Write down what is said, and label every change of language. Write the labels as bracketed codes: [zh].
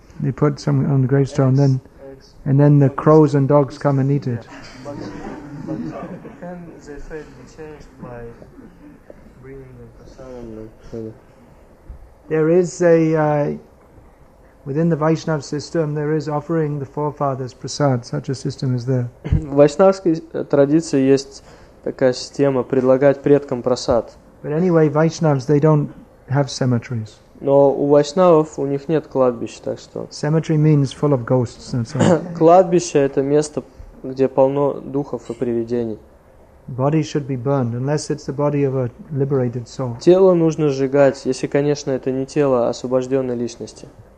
[en] They put some on the gravestone, eggs, then, eggs, and then the crows and dogs come and eat it. But can their faith be changed by bringing the prasadam? There is a within the Vaishnava system, there is offering the forefathers prasad. Such a system is there. [ru] В вайшнавской традиции есть такая система предлагать предкам прасад. [en] But anyway, Vaishnavas they don't have cemeteries. [ru] Но у вайшнавов у них нет кладбищ, так что. [en] Cemetery means full of ghosts and so on. [ru] Кладбище это место, где полно духов и привидений. [en] Body should be burned unless it's the body of a liberated soul. [ru] Тело нужно сжигать, если, конечно, это не тело освобожденной личности.